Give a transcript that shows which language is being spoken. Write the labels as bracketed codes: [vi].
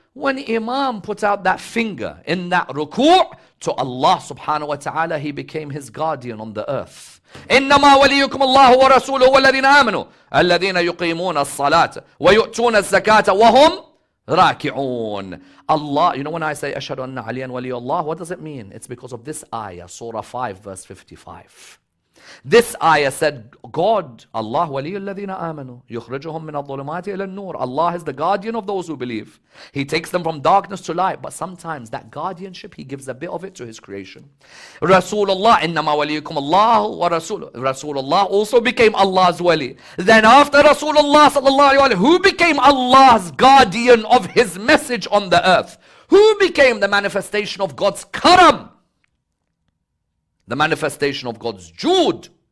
[en] When Imam put out that finger in that ruku' to Allah subhanahu wa ta'ala, he became his guardian on the earth. [ar] إِنَّمَا وَلِيُّكُمُ اللَّهُ وَرَسُولُهُ وَالَّذِينَ آمَنُوا الَّذِينَ يُقِيمُونَ الصَّلَاةَ وَيُؤْتُونَ الزَّكَاةَ وَهُمْ رَاكِعُونَ. [en] Allah, you know when I say [ar] أَشْهَدُ أَنَّ عَلِيًّا وَلِيُّ اللَّهِ, [en] what does it mean? It's because of this ayah, Surah 5 verse 55. This ayah said, God, Allah, [ar] وَلِيُّ الَّذِينَ آمَنُوا يُخْرِجُهُمْ مِنَ الظُّلُمَاتِ إِلَى النُّورِ. [en] Allah is the guardian of those who believe. He takes them from darkness to light, but sometimes that guardianship, he gives a bit of it to his creation. [ar] Rasulullah, إِنَّمَا وَلِيُّكُمُ اللَّهُ وَرَسُولُهُ. [en] Rasulullah also became Allah's wali. Then after Rasulullah sallallahu alayhi wa sallam, who became Allah's guardian of his message on the earth? Who became the manifestation of God's karam? The manifestation of God's jood?